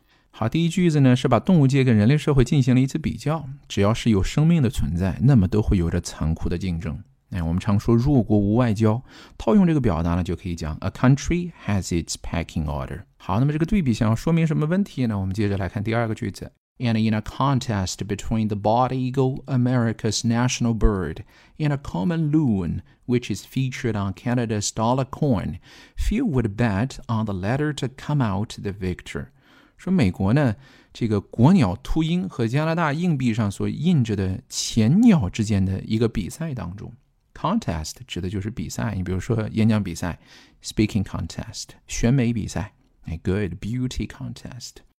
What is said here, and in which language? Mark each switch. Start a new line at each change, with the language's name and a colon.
Chinese: 好，第一句子呢是把动物界跟人类社会进行了一次比较，只要是有生命的存在，那么都会有着残酷的竞争。哎，我们常说弱国无外交，套用这个表达呢，就可以讲
English: A country has its pecking order。
Chinese: 好，那么这个对比想要说明什么问题呢？我们接着来看第二个句子。
English: And in a contest between the bald eagle, America's national bird, and a common loon, which is featured on Canada's dollar coin, few would bet on the latter to come out the victor.
Chinese: 说美国呢，这个国鸟秃鹰和加拿大硬币上所印着的前鸟之间的一个比赛当中。 Contest 指的就是比赛，你比如说演讲比赛 ,speaking contest, 选美比赛 ,good, beauty contest。